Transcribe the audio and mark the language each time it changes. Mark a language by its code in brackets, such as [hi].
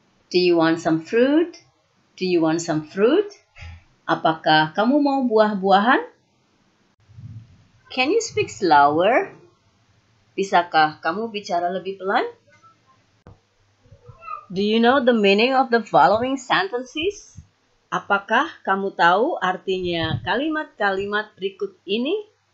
[en] Do you want some fruit? Do you want some fruit? [id] Apakah kamu mau buah-buahan? [en] Can you speak slower? [id] Bisakah kamu bicara lebih pelan? [en] Do you know the meaning of the following sentences? [id] Apakah kamu tahu artinya kalimat-kalimat berikut ini?